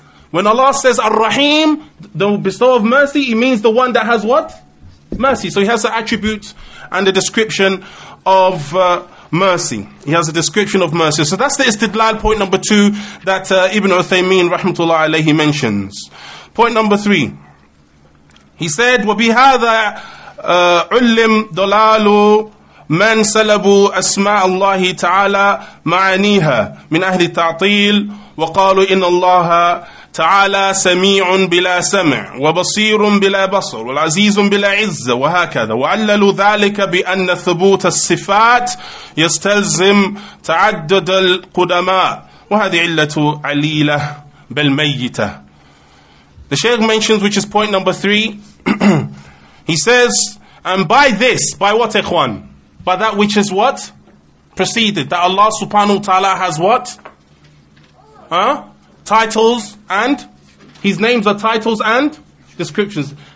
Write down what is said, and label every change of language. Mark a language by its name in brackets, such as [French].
[English] When Allah says Ar-Rahim, the bestow of mercy, it means the one that has what? Mercy. So he has the attributes and the description of mercy. He has a description of mercy. So that's the istidlal point number two that Ibn Uthaymeen rahmatullah alayhi mentions. Point number three. He said, [Arabic] وَبِهَذَا عُلِّمْ دُلَالُ مَنْ سَلَبُوا أَسْمَاءَ اللَّهِ تَعَالَى مَعَنِيهَا مِنْ أَهْلِ التَّعْطِيلِ وَقَالُوا إِنَّ اللَّهَ تعالى سميع بلا سمع وبصير بلا بصر والعزيز بلا عزة وهكذا وعللوا ذلك بأن ثبوت الصفات يستلزم تعدد القدماء وهذه علة عليلة بل ميتة. [English] The Shaykh mentions, which is point number three, he says, and by this, by what, Ikhwan? By that which is what? Preceded, that Allah subhanahu wa ta'ala has what? Huh? Titles and his names are titles and descriptions.